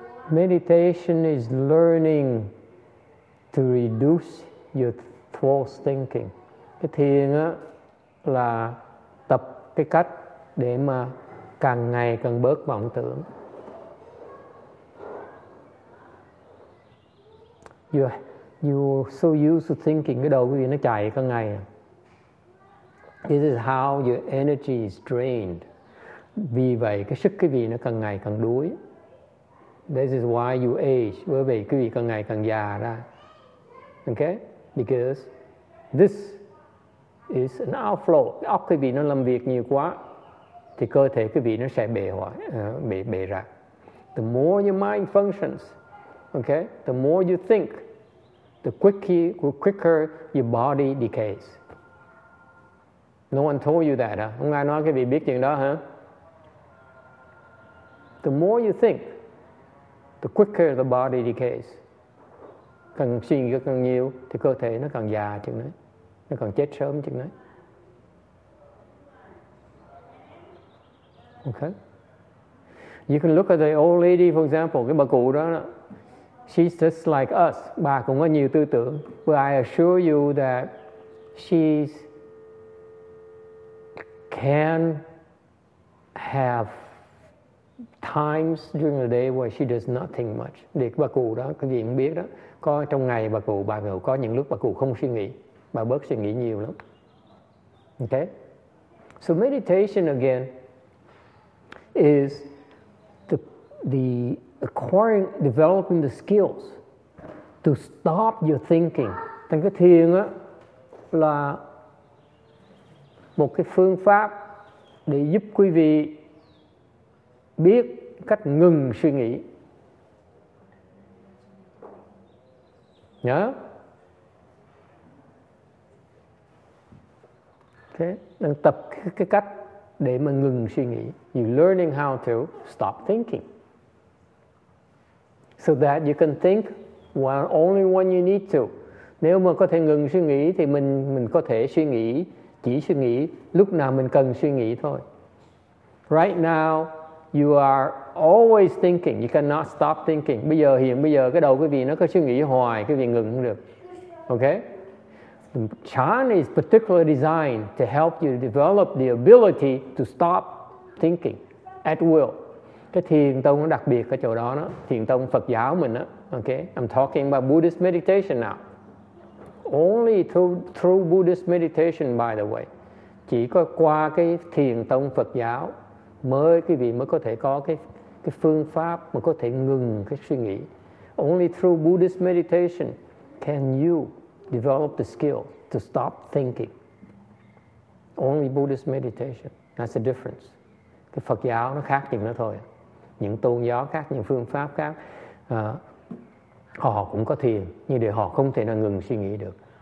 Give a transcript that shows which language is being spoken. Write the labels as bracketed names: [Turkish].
[English] Meditation is learning to reduce your false thinking. [Vietnamese] Cái thiền á là tập cái cách để mà càng ngày càng bớt vọng tưởng. [English] You're so used to thinking, [Vietnamese] cái đầu quý vị nó chạy cả ngày. [English] This is how your energy is drained. [Vietnamese] Vì vậy cái sức quý vị nó càng ngày càng đuối. [English] This is why you age. [Vietnamese] Bởi vì quý vị càng ngày càng già ra. Okay? [English] Because this is an outflow. [Vietnamese] Óc quý vị nó làm việc nhiều quá thì cơ thể quý vị nó sẽ bể ra. [English] The more your mind functions, okay, the more you think, the quicker your body decays. No one told you that, huh? [Vietnamese] Không ai nói quý vị biết chuyện đó, hả? Huh? [English] The more you think, the quicker the body decays. [Vietnamese] Càng suy nghĩ càng nhiều thì cơ thể nó càng già chừng đấy, nó càng chết sớm chừng đấy. [English] Okay. You can look at the old lady, for example, [Vietnamese] cái bà cụ đó. [English] She's just like us. [Vietnamese] Bà cũng có nhiều tư tưởng. [English] But I assure you that she can have times during the day where she does not think much. [Vietnamese] Thì bà cụ đó, cái gì cũng biết đó. Có trong ngày bà cụ có những lúc bà cụ không suy nghĩ. Bà bớt suy nghĩ nhiều lắm. [English] Okay? So meditation again is the acquiring, developing the skills to stop your thinking. [Vietnamese] Thành cái thiền á là một cái phương pháp để giúp quý vị biết cách ngừng suy nghĩ. Nhớ. Thế, đang tập cái cách để mà ngừng suy nghĩ. [English] You're learning how to stop thinking. So that you can think while only when you need to. [Vietnamese] Nếu mà có thể ngừng suy nghĩ thì mình có thể suy nghĩ, chỉ suy nghĩ lúc nào mình cần suy nghĩ thôi. [English] Right now, you are always thinking. You cannot stop thinking. [Vietnamese] Bây giờ, hiện bây giờ cái đầu quý vị nó cứ suy nghĩ hoài, quý vị ngừng không được. [English] Okay? The chan is particularly designed to help you develop the ability to stop thinking at will. [Vietnamese] Cái thiền tông nó đặc biệt ở chỗ đó, đó. Thiền tông Phật giáo mình đó. Okay? [English] I'm talking about Buddhist meditation now. Only through Buddhist meditation, by the way. [Vietnamese] Chỉ có qua cái thiền tông Phật giáo mới quý vị mới có thể có cái phương pháp mà có thể ngừng cái suy nghĩ. [English] Only through Buddhist meditation can you develop the skill to stop thinking. Only Buddhist meditation. That's the difference. [Vietnamese] Cái Phật giáo nó khác chừng đó thôi. Những tôn giáo khác, những phương pháp khác, họ cũng có thiền, nhưng để họ không thể nào ngừng suy nghĩ được.